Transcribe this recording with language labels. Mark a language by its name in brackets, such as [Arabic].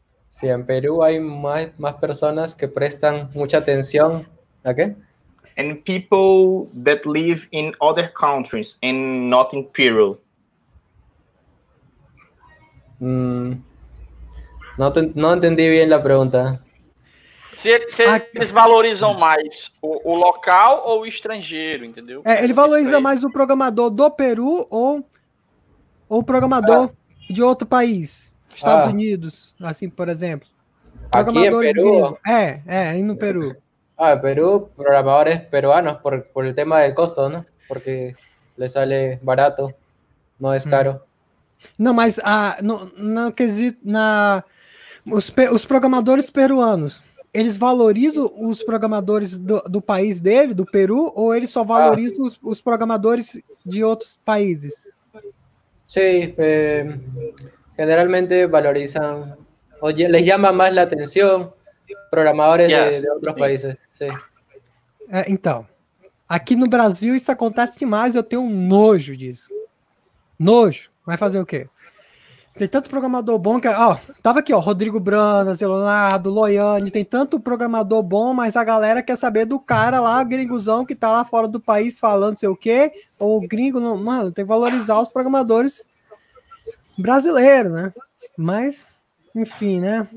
[Spanish] Sí, en Perú hay más personas que prestan mucha atención. [English] ¿Okay? And people that live in other countries and not in Peru. [Spanish] No [Portuguese] entendi [Spanish] bien la pregunta. [Portuguese] Se eles valorizam mais o local ou o estrangeiro, entendeu? É, ele valoriza mais o programador do Peru ou o programador de outro país, Estados Unidos, assim, por exemplo. Aqui em Peru? É, no Peru. [Spanish] Ah, Peru, programadores peruanos, por el tema del costo, ¿no? Porque le sale barato, no es caro. [Portuguese] No, mas no quesito, os programadores peruanos, ¿eles valorizam os programadores do país dele, do Peru, ou eles só valorizam os programadores de outros países? [Spanish] Sí, generalmente valorizan, oye, les llama más la atención programadores de [Portuguese] outros [Spanish] países. [Portuguese] É, então, aqui no Brasil isso acontece demais, eu tenho nojo disso. Nojo? Vai fazer o quê? Tem tanto programador bom que... Ó, tava aqui, ó, Rodrigo Brana, Zelonardo, Loiane, tem tanto programador bom, mas a galera quer saber do cara lá, gringuzão, que tá lá fora do país falando sei o quê, ou gringo, não, mano, tem que valorizar os programadores brasileiros, né? Mas... Enfim, né?